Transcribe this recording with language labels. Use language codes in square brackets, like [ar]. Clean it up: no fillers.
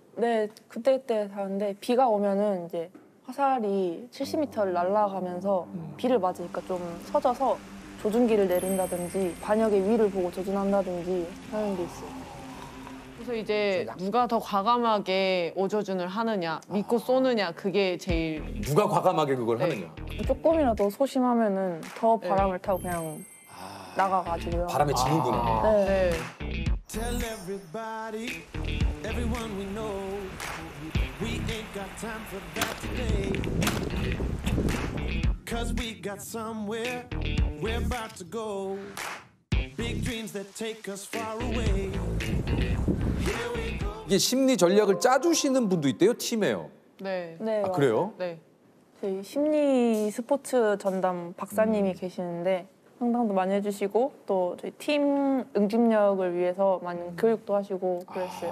[ko] 네, 그때 다는데 비가 오면은 이제 화살이 70m를 날아가면서 비를 맞으니까 좀 처져서 조준기를 내린다든지 관역의 위를 보고 조준한다든지 하는 게 있어요. 그래서 이제 누가 더 과감하게 오조준을 하느냐, 믿고 쏘느냐, 그게 제일 누가 과감하게 그걸 네. 하느냐. 조금이라도 소심하면은 더 바람을 네. 타고 그냥 나가가지고요. 바람에 지는구나. 아. 네. 네. [en] Tell everybody, everyone we know, we ain't got time for that today. Cause we got somewhere we're about to go. Big dreams that take us far away. Here we go. [ko] 이게 심리 전략을 짜주시는 분도 있대요, 팀에요. 네. 네. 아, 그래요? 네. 저희 심리 스포츠 전담 박사님이 계시는데 상담도 많이 해주시고 또 저희 팀 응집력을 위해서 많은 교육도 하시고 그랬어요.